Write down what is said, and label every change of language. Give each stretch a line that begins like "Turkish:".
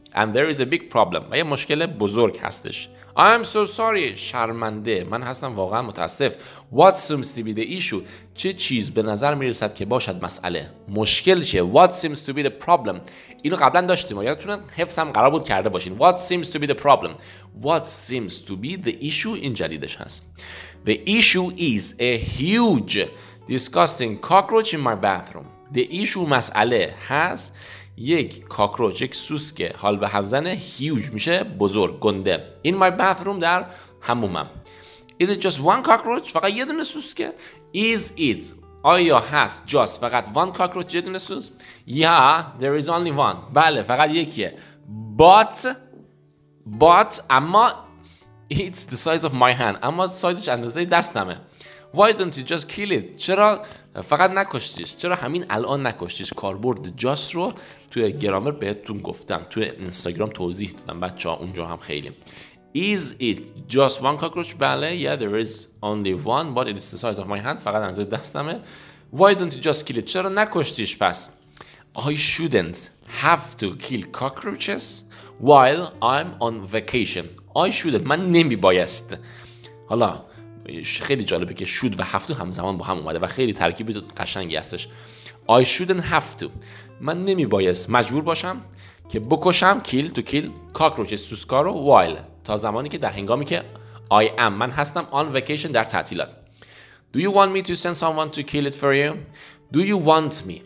English: And there is a big problem.
Persian: و یه مشکل بزرگ هستش.
English: I'm so sorry.
Persian: شرمنده. من هستم واقعا متاسف.
English: What seems to be the issue?
Persian: چه چیز به نظر میرسد که باشد مسئله؟ مشکل چیه؟
English: What seems to be the problem?
Persian: اینو قبلا داشتیم. یادتونه حفظ هم قرار بود کرده باشین.
English: What seems to be the problem? What seems to be the issue
Persian: این جدیدش هست.
English: The issue is a huge disgusting cockroach in my bathroom. The issue
Persian: مسئله هست. یک کاکروچ، یک سوسک حال به همزنه، هیوج میشه بزرگ، گنده،
English: in my bathroom
Persian: در حمومم.
English: Is it just one cockroach؟
Persian: فقط یه دونه سوسک.
English: Is it؟
Persian: آیا هست؟
English: just فقط one cockroach
Persian: یه دونه سوسک؟
English: Yeah, there is only one.
Persian: بله فقط یکیه.
English: But
Persian: اما
English: it's the size of my hand.
Persian: اما سایزش اندازه دستمه.
English: Why don't you just kill it؟
Persian: چرا فقط نکشتیش؟ چرا همین الان نکشتیش؟ کاربرد جاست رو توی گرامر بهتون گفتم، توی اینستاگرام توضیح دادم بچه ها، اونجا هم خیلی.
English: Is it just one cockroach؟
Persian: بله.
English: Yeah, there is only one, but it is the size of my hand.
Persian: فقط اندازه دستمه.
English: Why don't you just kill it؟
Persian: چرا نکشتیش پس؟
English: I shouldn't have to kill cockroaches while I'm on vacation. I shouldn't.
Persian: من نمی بایست. حالا خیلی جالبه که should و have to همزمان با هم اومده و خیلی ترکیب قشنگی هستش.
English: I shouldn't have to.
Persian: من نمی بایست مجبور باشم که بکشم
English: kill cockroach سوسکارو while
Persian: تا زمانی که در هنگامی که
English: I am
Persian: من هستم
English: on vacation
Persian: در تعطیلات.
English: Do you want me to send someone to kill it for you? Do you want me?